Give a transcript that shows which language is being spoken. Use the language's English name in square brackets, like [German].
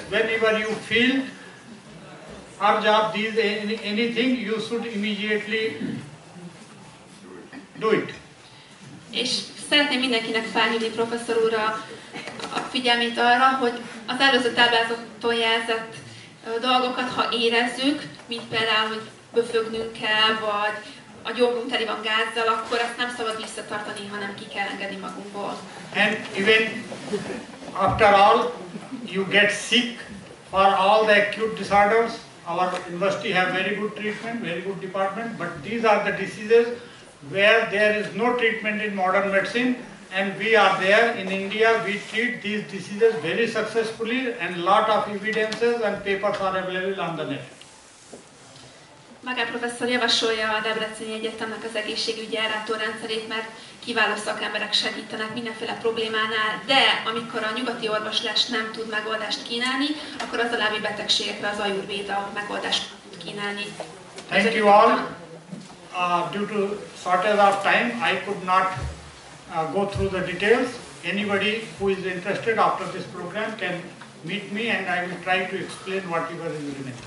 [English] Whenever you feel urge of these anything, you should immediately do it. [Hungarian] És szeretném mindenkinek felhívni professzor úr a figyelmét arra, hogy az előző táblázaton jelzett dolgokat, ha érezzük, mint például, hogy böfögnünk kell, vagy a gyomrunk teli van gázzal, akkor azt nem szabad visszatartani, hanem ki kell engedni magunkból. [English] And even after all, you get sick for all the acute disorders. Our university have very good treatment, very good department, but these are the diseases where there is no treatment in modern medicine, and we are there in India, we treat these diseases very successfully, and lot of evidences and papers are available on the net. [Hungarian] Magán professzor javasolja a Debreceni Egyetemnek az egészségügyi ellátórendszerét, mert kiváló szakemberek segítenek mindenféle problémánál, de amikor a nyugati orvoslás nem tud megoldást kínálni, akkor az alábbi betegségekre az Ayurveda megoldást tud kínálni. [English] Thank you all. Due to shortage of time, I could not go through the details. Anybody who is interested after this program can meet me and I will try to explain whatever is remaining.